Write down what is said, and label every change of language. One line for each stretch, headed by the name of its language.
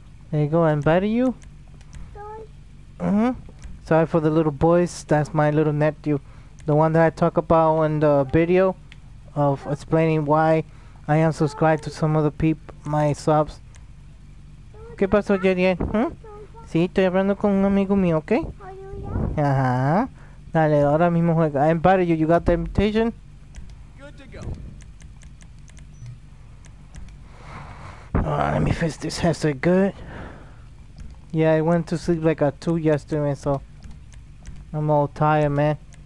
English: There you go, I invited you. Mm-hmm. Sorry for the little boys, that's my little nephew. The one that I talk about in the video of explaining why I am subscribed to some of the my subs.
Spanish: ¿Qué pasó, Jerien? Sí, estoy hablando con un amigo mío, ¿ok? Ajá. Dale, ahora mismo juega.
English: I invited you, you got the invitation? Good to go. Alright, let me fix this headset good. Yeah, I went to sleep like at 2 yesterday, so I'm all tired, man.